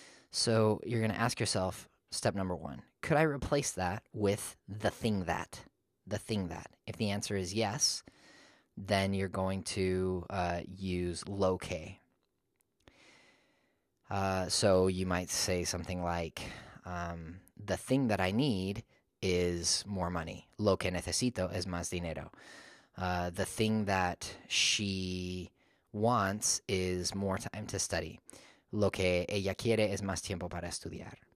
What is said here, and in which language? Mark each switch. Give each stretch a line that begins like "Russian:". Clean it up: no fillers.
English: So you're going to ask yourself, step number one, could I replace that with the thing that? The thing that. If the answer is yes, then you're going to use lo que. So you might say something like, the thing that I need is more money.
Spanish: Lo que necesito es más dinero.
English: The thing that she wants is more time to study.
Spanish: Lo que ella quiere es más tiempo para estudiar.